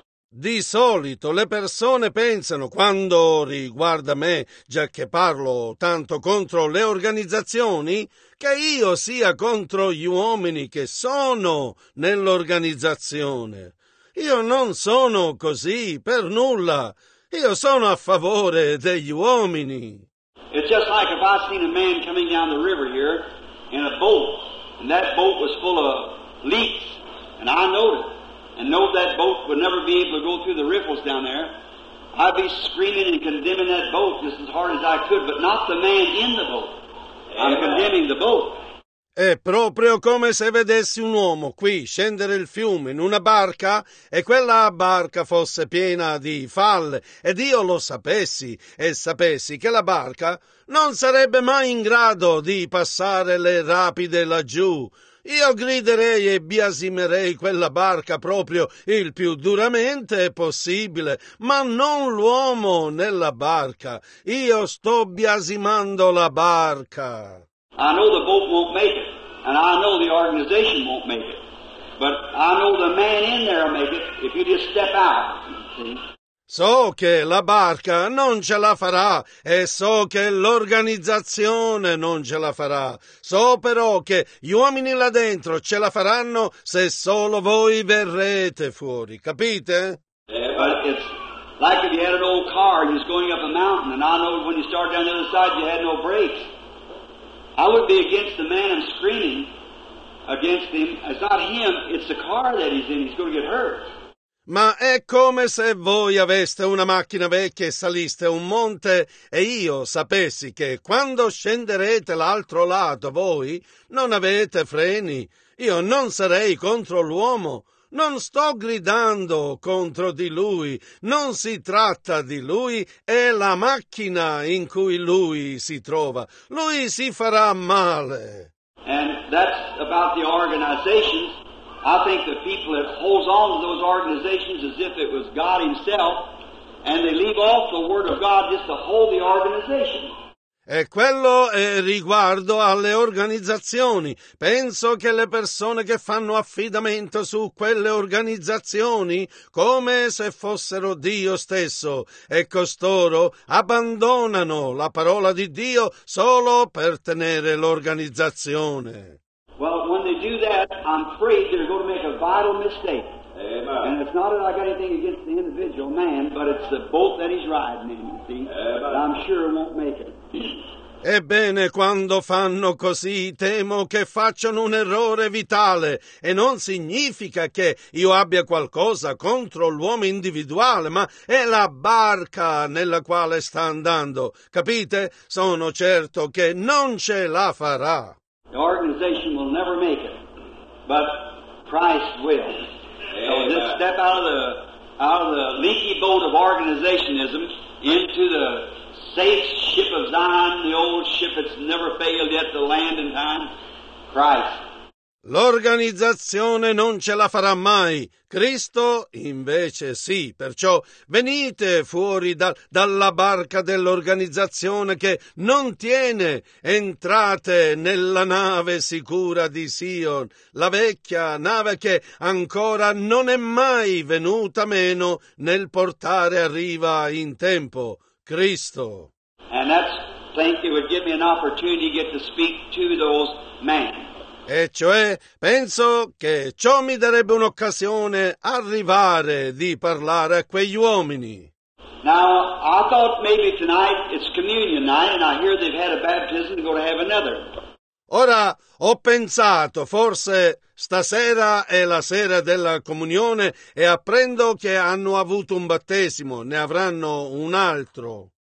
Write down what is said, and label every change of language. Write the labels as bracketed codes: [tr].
[it] Di solito le persone pensano, quando riguarda me, già che parlo tanto contro le organizzazioni, che io sia contro gli uomini che sono nell'organizzazione. Io non sono così, per nulla. Io sono a favore degli uomini. [en] It's just like if I seen a man coming down the river here in a boat, and that boat was full of leaks, and I know it. And know that boat would never be able to go through the ripples down there. I'd be screaming and condemning that boat just as hard as I could, but not the man in the boat. I'm condemning the boat. [it] È proprio come se vedessi un uomo qui scendere il fiume in una barca e quella barca fosse piena di falle ed io lo sapessi e sapessi che la barca non sarebbe mai in grado di passare le rapide laggiù. Io griderei e biasimerei quella barca proprio il più duramente possibile, ma non l'uomo nella barca. Io sto biasimando la barca. [en] I know the boat won't make it, and I know the organization won't make it, but I know the man in there will make it if you just step out. [it] So che la barca non ce la farà e so che l'organizzazione non ce la farà. So però che gli uomini là dentro ce la faranno se solo voi verrete fuori, capite? [en] But it's like if you had an old car and you're going up a mountain and I know when you start down the other side you had no brakes. I would be against the man and screaming against him. It's not him, it's the car that he's in. He's going to get hurt. [it] Ma è come se voi aveste una macchina vecchia e saliste un monte e io sapessi che quando scenderete l'altro lato voi non avete freni. Io non sarei contro l'uomo, non sto gridando contro di lui, non si tratta di lui, è la macchina in cui lui si trova. Lui si farà male. [en] And that's about the organization. I think the people that holds on to those organizations as if it was God himself, and they leave off the word of God just to hold the organization. [it] E quello è riguardo alle organizzazioni. Penso che le persone che fanno affidamento su quelle organizzazioni, come se fossero Dio stesso, e costoro abbandonano la parola di Dio solo per tenere l'organizzazione. [en] Well, when they do that, I'm afraid they're going to make a vital mistake. Amen. And it's not that I got anything against the individual man, but it's the boat that he's riding in, you see. Amen. But I'm sure it won't make it. [it] Ebbene, quando fanno così, temo che facciano un errore vitale e non significa che io abbia qualcosa contro l'uomo individuale, ma è la barca nella quale sta andando. Capite? Sono certo che non ce la farà. [en] The organization will never make it, but Christ will. Amen. So just step out of the leaky boat of organizationism into the safe ship of Zion, the old ship that's never failed yet to land in time, Christ. [it] L'organizzazione non ce la farà mai, Cristo invece sì, perciò venite fuori dalla barca dell'organizzazione che non tiene, entrate nella nave sicura di Sion, la vecchia nave che ancora non è mai venuta meno nel portare a riva in tempo, Cristo. [en] And that's, thank you, would give me an opportunity to get to speak to those men. [it] E cioè, penso che ciò mi darebbe un'occasione arrivare di parlare a quegli uomini. [en] Now, I thought maybe tonight it's communion night and I hear they've had a baptism and go to have another. [it] Ora, ho pensato, forse stasera è la sera della comunione e apprendo che hanno avuto un battesimo, ne avranno un altro.